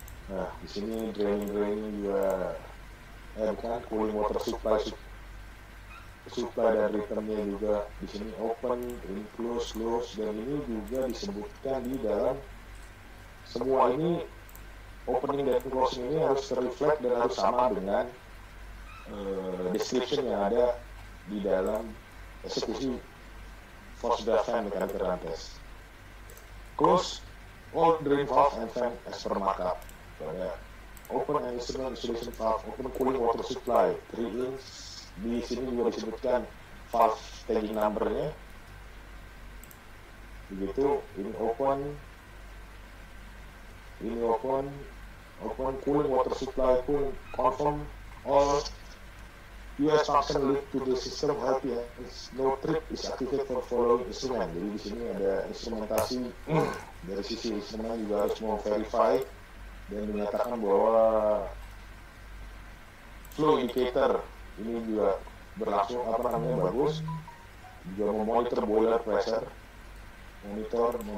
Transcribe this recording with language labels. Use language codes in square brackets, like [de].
[id] Nah, di sini draining juga, bukan cooling water supply dan returnnya juga di sini open, ini close, dan ini juga disebutkan di dalam semua ini opening dan closing ini harus terreflect dan harus sama dengan description yang ada di dalam eksekusi. [en] Force draft fan mechanical run test. Close all drain valve and fan as per markup. Open and instrument insulation valve, open cooling water supply 3 inch. [id] Di sini juga disebutkan valve tagging numbernya. Begitu, ini open. Ini open. [en] Open cooling water supply pun confirm all US function lead to the system healthy and no trip is activated for following instrument. [id] Jadi di sini ada instrumentasi dari sisi instrument juga harus mau verify dan menyatakan bahwa flow indicator ini juga berlangsung apa namanya bagus, juga memonitor boiler pressure, monitor.